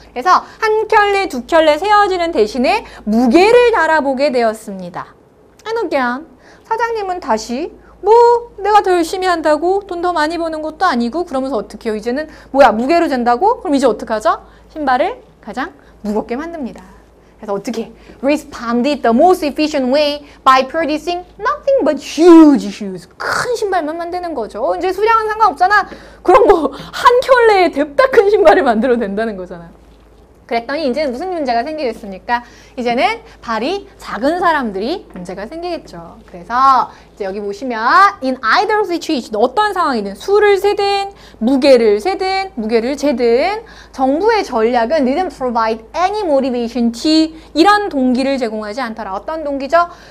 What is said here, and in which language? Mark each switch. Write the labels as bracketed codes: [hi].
[ko] 그래서 한 켤레 두 켤레 세어지는 대신에 무게를 달아보게 되었습니다. And again, 사장님은 다시 뭐 내가 더 열심히 한다고 돈 더 많이 버는 것도 아니고 그러면서 어떻게요? 이제는 뭐야? 무게로 잰다고? 그럼 이제 어떡하죠? 신발을 가장 무겁게 만듭니다. 그래서 어떻게 [en] responded the most efficient way by producing nothing but huge shoes. [ko] 큰 신발만 만드는 거죠. 이제 수량은 상관없잖아. 그럼 뭐 한 켤레에 됐다 큰 신발을 만들어도 된다는 거잖아. 그랬더니 이제는 무슨 문제가 생기겠습니까? 이제는 발이 작은 사람들이 문제가 생기겠죠. 그래서 이제 여기 보시면 [en] in either situation, [ko] 어떤 상황이든 수를 세든 무게를 재든 정부의 전략은 [en] didn't provide any motivation to [ko] 이런 동기를 제공하지 않더라. 어떤 동기죠?